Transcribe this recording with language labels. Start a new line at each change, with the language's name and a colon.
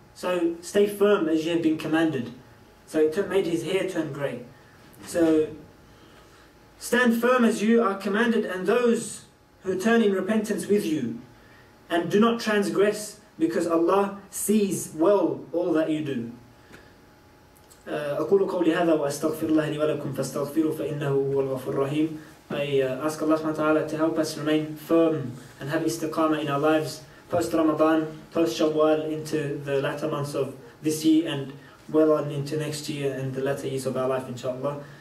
English: So stay firm as you have been commanded. So it made his hair turn grey. So stand firm as you are commanded, and those who turn in repentance with you, and do not transgress, because Allah sees well all that you do.
Arabic: أقول قولي هذا وأستغفر الله لي ولكم فاستغفروا فإنه هو الغفور الرحيم.
English: I ask Allah subhanahu wa ta'ala to help us remain firm and have istiqama in our lives post Ramadan, post Shawwal, into the latter months of this year and well on into next year and the latter years of our life, inshaAllah.